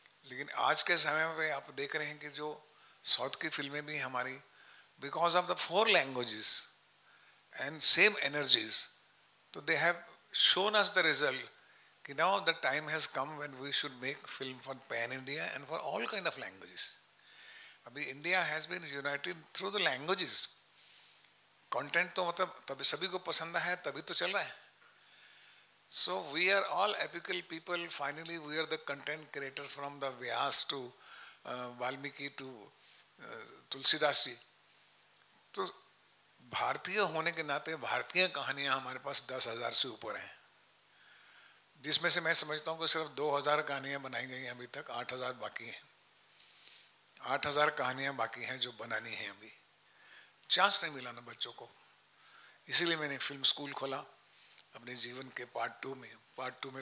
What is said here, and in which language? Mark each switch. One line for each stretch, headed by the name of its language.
Hindi: लेकिन आज के समय में आप देख रहे हैं कि जो साउथ की फिल्में भी हमारी,
English: Because of the 4 languages and same energies, तो they have shown us the result कि now the time has come when we should make film for pan India and for all kind of languages. अभी India has been united through the languages.
Hindi: Content तो मतलब तभी सभी को पसंद है, तभी तो चल रहा है.
English: So we are all epical people. Finally we are the content creator from the Vyas to Valmiki to Tulsidas ji.
Hindi: तो भारतीय होने के नाते भारतीय कहानियाँ हमारे पास 10,000 से ऊपर हैं, जिसमें से मैं समझता हूँ कि सिर्फ 2,000 कहानियाँ बनाई गई हैं अभी तक, 8,000 बाकी हैं. 8,000 कहानियाँ बाकी हैं जो बनानी हैं. अभी चांस नहीं मिला ना बच्चों को, इसीलिए मैंने फिल्म स्कूल खोला अपने जीवन के पार्ट टू में.